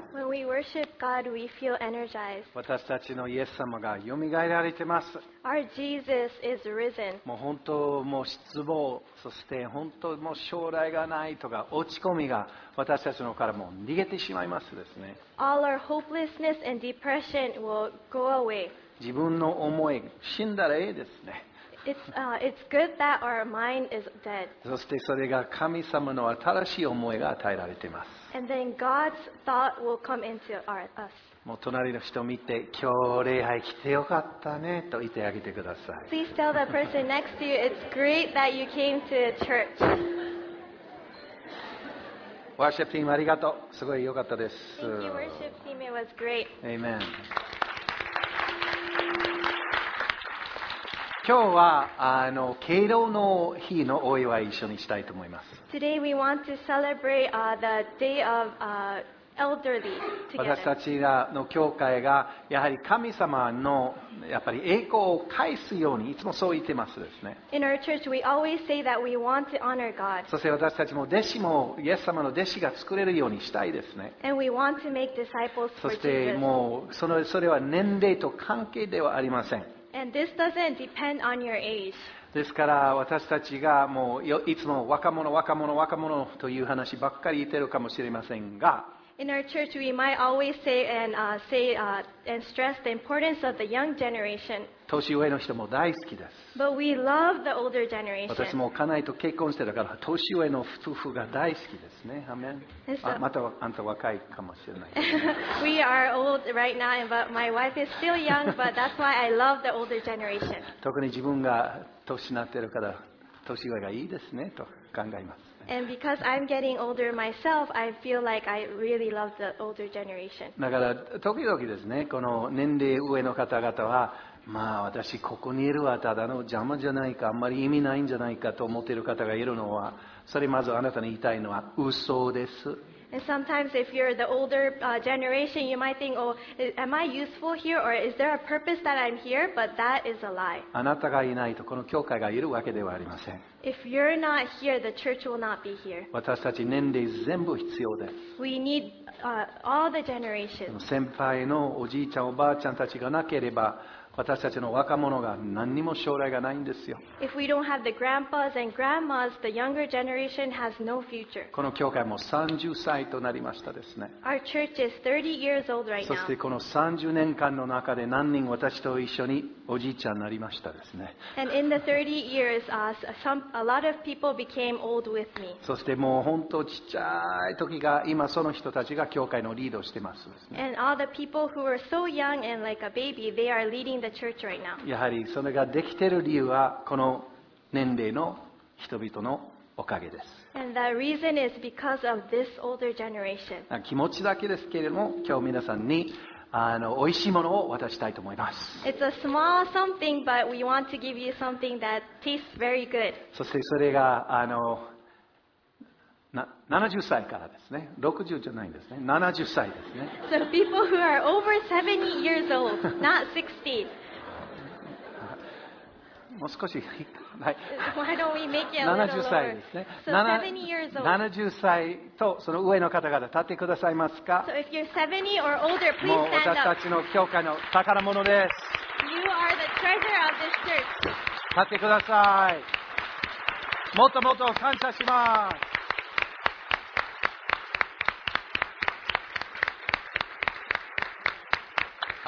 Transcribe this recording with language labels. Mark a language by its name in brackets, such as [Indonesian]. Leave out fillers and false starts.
[English] When we worship God, we feel energized. [Japanese] 私たちのイエス様がよみがえられてます。 [English] Our Jesus is risen. [Japanese] もう本当もう失望、そして本当もう将来がないとか落ち込みが私たちのからもう逃げてしまいますですね。 [English] All our hopelessness and depression will go away. [Japanese] 自分の思い死んだらいいですね。 [English] It's good that our mind is dead. [Japanese] そしてそれが神様の新しい思いが与えられています。 [English] And then God's thought will come into our, us. [Japanese] もう隣の人を見て、今日礼拝来てよかったねと言ってあげてください。 [English] Please tell the person next to you, it's great that you came to church. Worship team, [Japanese] ありがとう。すごい良かったです。 [English] Thank you, worship team. It was great. Amen. [Japanese] 今日はあの敬老の日のお祝い一緒にしたいと思います。 [English] Today we want to celebrate, the day of, elderly together. [Japanese] 私たちの教会がやはり神様のやっぱり栄光を返すようにいつもそう言ってますですね。 [English] In our church, we always say that we want to honor God. [Japanese] そして私たちも弟子もイエス様の弟子が作れるようにしたいですね。 [English] And we want to make disciples for Jesus. [Japanese] そしてもうそれは年齢と関係ではありません。 [English] And this doesn't depend on your age. [Japanese] ですから私たちがもういつも若者という話ばっかり言ってるかもしれませんが、 [English] In our church, we might always say and, and stress the importance of the young generation. [Japanese] 年上の人も大好きです。 [English] But we love the older generation. [Japanese] 私も家内と結婚してたから年上の夫婦が大好きですね。アメン。 [English] So, [Japanese] またあんた若いかもしれない。 [English] We are old right now, but my wife is still young, but that's why I love the older generation. [Japanese] 特に自分が年になってるから年上がいいですねと考えます。 [English] And because I'm getting older myself, I feel like I really love the older generation. [Japanese] だから時々ですね、この年齢上の方々は、まあ私ここにいるはただの邪魔じゃないか、あんまり意味ないんじゃないかと思っている方がいるのは、それまずあなたに言いたいのは嘘です。 [English] And sometimes if you're the older generation, you might think, oh, am I useful here or is there a purpose that I'm here? But that is a lie. [Japanese] あなたがいないとこの教会がいるわけではありません。 [English] If you're not here, the church will not be here. [Japanese] 私たち年齢全部必要です。 [English] We need, all the generations. [Japanese] 先輩のおじいちゃんおばあちゃんたちがなければ私たちの若者が何にも将来がないんですよ。 [English] If we don't have the grandpas and grandmas, the younger generation has no future. [Japanese] この教会も30歳となりましたですね。 [English] Our church is 30 years old right now. [Japanese] そしてこの30年間の中で何人私と一緒におじいちゃんになりましたですね。 [English] And in the 30 years, a lot of people became old with me. [Japanese] そしてもう本当ちっちゃい時が今その人たちが教会のリードをしてますですね。 [English] And all the people who are so young and like a baby, they are leading. The church right now. [Japanese] やはりそれができている理由はこの年齢の人々のおかげです。 [English] And the reason is because of this older generation. [Japanese] 気持ちだけですけれども、今日皆さんにおいしいものを渡したいと思います。 [English] It's a small something, but we want to give you something that tastes very good. [Japanese] そしてそれが70歳からですね。 60じゃないんですね。70歳ですね。 [English] So people who are over 70 years old, not 60. [Japanese] もう少し、はい。 [English] Why don't we make it a little lower? 70 [Japanese] 歳ですね。 [English] So 70 years old. [Japanese] 70歳とその上の方々、立ってくださいますか。 [English] So if you're 70 or older, please stand up. [Japanese] もう私たちの教会の宝物です。 [English] You are the treasure of this church. [Japanese] 立ってください。もっともっと感謝します。